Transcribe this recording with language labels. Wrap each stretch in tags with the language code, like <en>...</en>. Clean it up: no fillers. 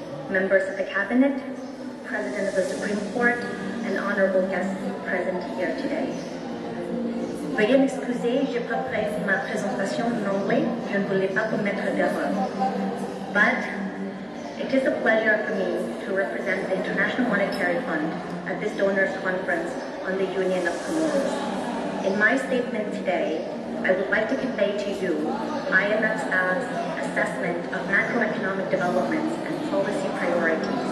<en>Members of the Cabinet, President of the Supreme Court, and honorable guests present here today.</en> <fr>Veuillez m'excuser, je préfère ma présentation en anglais, je ne voulais pas commettre d'erreur.</fr> <en>But it is a pleasure for me to represent the International Monetary Fund at this donors conference on the Union of Comores. In my statement today, I would like to convey to you IMF staff's assessment of macroeconomic developments and policy priorities.</en>